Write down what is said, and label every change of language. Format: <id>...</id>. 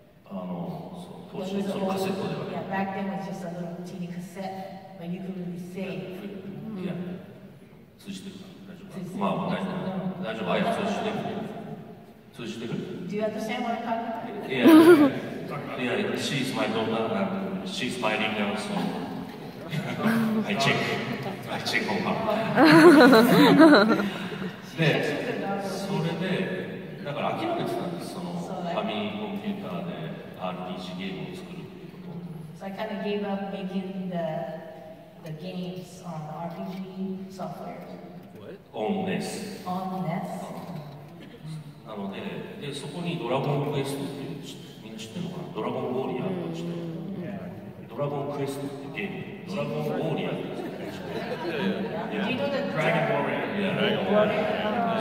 <ja>当時そのカセットではない。</ja> <en>Yeah, back then was just a little teeny cassette, but you could really save. Yeah,</en> <ja>通じてるか、大丈夫か。まあ、大丈夫。大丈夫、あやつ通じてる。通じてる。</ja> <en>Do you understand what I'm talking about? Yeah, yeah, yeah. She's my daughter, and she's smiling now, so I check on her.</en> <ja>で、それで、だから諦めてたんです、その、ファミリーコンピューターで。 RPG ゲームを作るっていうこと。</ja> <en>So I kind of gave up making the games on the RPG software. What? On NES. On NES.</en> <ja>なので、でそこにドラゴンクエストっていうみんな知ってるのかな？ドラゴンウォーリアーとして、ドラゴンクエストってゲーム、ドラゴンウォーリアーですね。</ja> <en>Do you know the Dragon Warrior? Yeah, Dragon Warrior.</en>